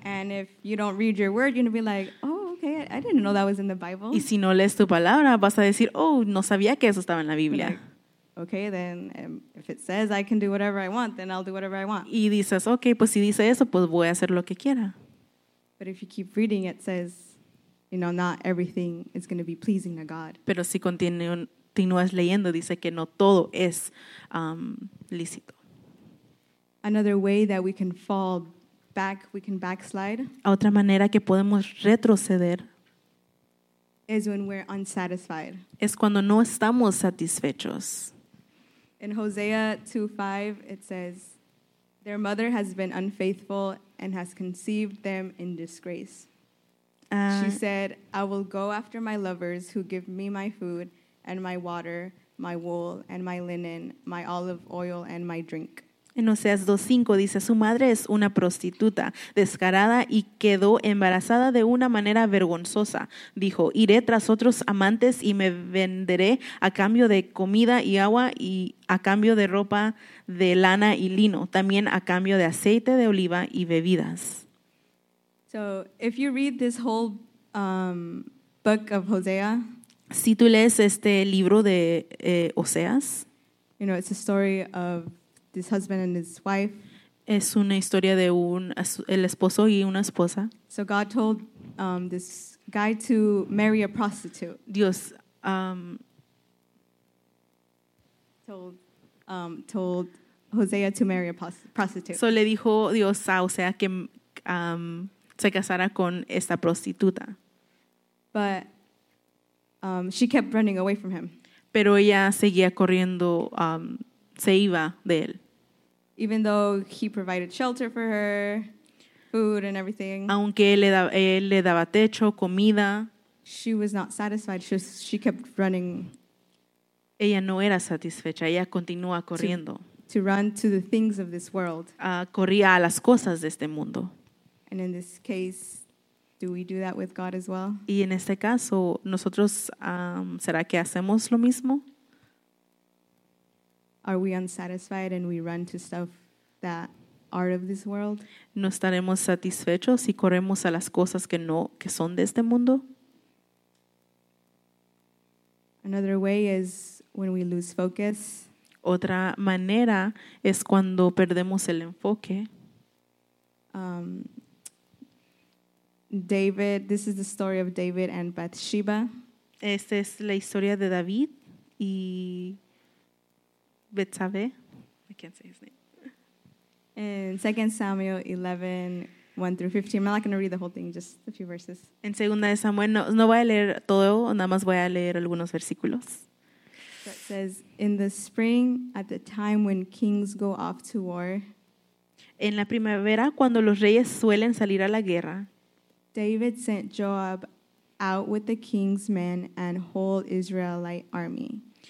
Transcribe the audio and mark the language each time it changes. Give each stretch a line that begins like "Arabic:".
English: And if you don't read your word, you're going to be like, oh, okay, I didn't know that was in the Bible.
Spanish: Y si no lees tu palabra, vas a decir, oh, no sabía que eso estaba en la Biblia.
English: Like, okay, then if it says I can do whatever I want, then I'll do whatever I want.
Spanish: Y dices, okay, pues si dice eso, pues voy a hacer lo que quiera.
English: But if you keep reading, it says, you know, not everything is going to be pleasing to God.
Spanish: Pero si continúas leyendo, dice que no todo es lícito.
English: Another way that we can fall back, we can backslide.
Spanish: Otra manera que podemos retroceder
English: is when we're unsatisfied.
Spanish: Es cuando no estamos satisfechos.
English: In Hosea 2:5, it says, their mother has been unfaithful and has conceived them in disgrace. She said, I will go after my lovers who give me my food and my water, my wool and my linen, my olive oil and my drink.
Spanish: En Oseas 2:5 dice, su madre es una prostituta, descarada y quedó embarazada de una manera vergonzosa. Dijo, iré tras otros amantes y me venderé a cambio de comida y agua y a cambio de ropa de lana y lino, también a cambio de aceite de oliva y bebidas.
English: So, if you read this whole book of Hosea,
Spanish: si tú lees este libro de Oseas,
English: you know, it's a story of this husband and his wife.
Spanish: Es una historia de un el esposo y una esposa.
English: So God told this guy to marry a prostitute.
Spanish: Dios
English: told Hosea to marry a prostitute.
Spanish: So le dijo Dios a Osea que se casara con esta prostituta.
English: But she kept running away from him.
Spanish: Pero ella seguía corriendo, se iba de él.
English: Even though he provided shelter for her, food and everything.
Spanish: Aunque él le daba techo, comida.
English: She was not satisfied. She kept running.
Spanish: Ella no era satisfecha. Ella continúa corriendo.
English: To run to the things of this world.
Spanish: Corría a las cosas de este mundo.
English: And in this case, do we do that with God as well?
Spanish: Y en este caso, nosotros, ¿será que hacemos lo mismo?
English: Are we unsatisfied and we run to stuff that are of this world?
Spanish: ¿No estaremos satisfechos y corremos a las cosas que no que son de este mundo?
English: Another way is when we lose focus.
Spanish: Otra manera es cuando perdemos el enfoque.
English: David, this is the story of David and Bathsheba.
Spanish: Esta es la historia de David y Betsabé.
English: I can't say his name. In 2 Samuel 11, 1 through 15. I'm not going to read the whole thing, just a few verses.
Spanish: En 2 Samuel, no voy a leer todo, nada más voy a leer algunos versículos.
English: So it says, in the spring, at the time when kings go off to war.
Spanish: En la primavera, cuando los reyes suelen salir a la guerra.
English: David sent Joab out with the king's men and whole Israelite army.